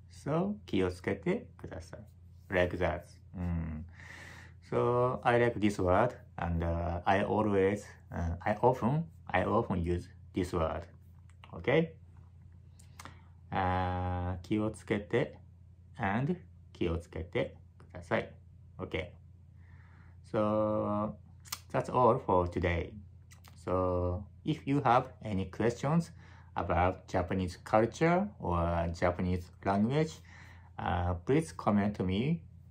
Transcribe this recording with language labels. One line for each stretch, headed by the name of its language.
Japanese: So 気をつけてください.
English: Like that. So I like this word, and I often use this word. Okay?
Japanese: 気をつけて and 気をつけてください.
English: Okay. So that's all for today. So if you have any questions about Japanese culture or Japanese language, please comment to me.